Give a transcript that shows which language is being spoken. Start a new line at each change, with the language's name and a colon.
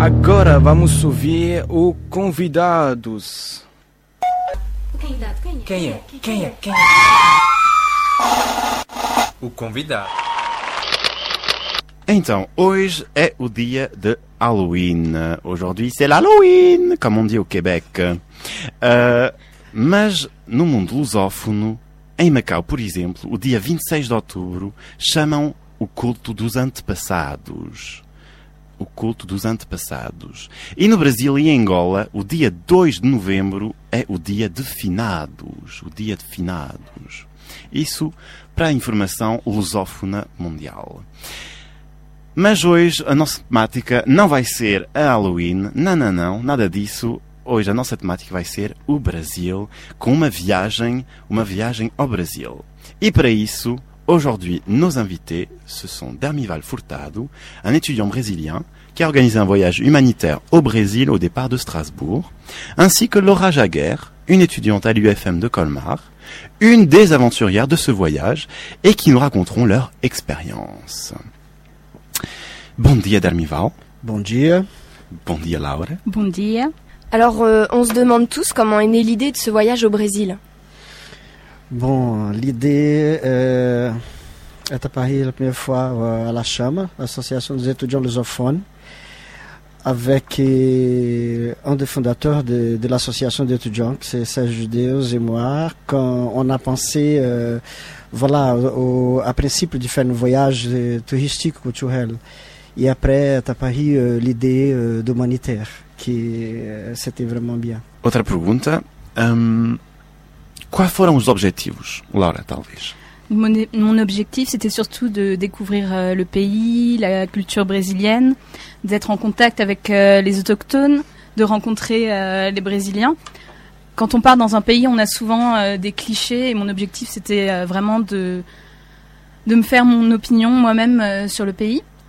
Portuguese: Agora vamos ouvir o convidados. Quem é? O convidado. Então, hoje é o dia de Halloween.
French: Aujourd'hui c'est l'Halloween, comme on dit au Québec.
Portuguese: Mas no mundo lusófono, em Macau, por exemplo, o dia 26 de outubro chamam o culto dos antepassados. O culto dos antepassados. E no Brasil e em Angola, o dia 2 de novembro é o dia de finados. O dia de finados. Isso para a informação lusófona mundial. Mas hoje a nossa temática não vai ser a Halloween. Não, nada disso. Hoje a nossa temática vai ser o Brasil, com uma viagem ao Brasil. E para isso...
French: Aujourd'hui, nos invités, ce sont Dermival Furtado, un étudiant brésilien qui a organisé un voyage humanitaire au Brésil au départ de Strasbourg, ainsi que Laura Jaguer, une étudiante à l'UFM de Colmar, une des aventurières de ce voyage et qui nous raconteront leur expérience.
Portuguese: Bon dia, Dermival. Bon dia. Bon dia, Laura. Bon dia.
French: Alors, on se demande tous comment est née l'idée de ce voyage au Brésil. Bom, l'idée est à Paris la première fois à la Chama, l'association des étudiants lusophones, avec un des fondateurs de l'association d'étudiants, qui c'est Serge Judeus et moi, quand on a pensé, voilà, à principe de faire un voyage touristique culturel, et après à Paris l'idée d'humanitaire, qui c'était vraiment bien. Autre question.
Portuguese: Quels foram os objetivos, Laura, talvez?
French: Mon objectif, c'était surtout de découvrir le pays, la culture brésilienne, d'être en contact avec les autochtones, de rencontrer les Brésiliens. Quand on part dans un pays, on a souvent des clichés, et mon objectif, c'était vraiment de me faire mon opinion moi-même sur le pays.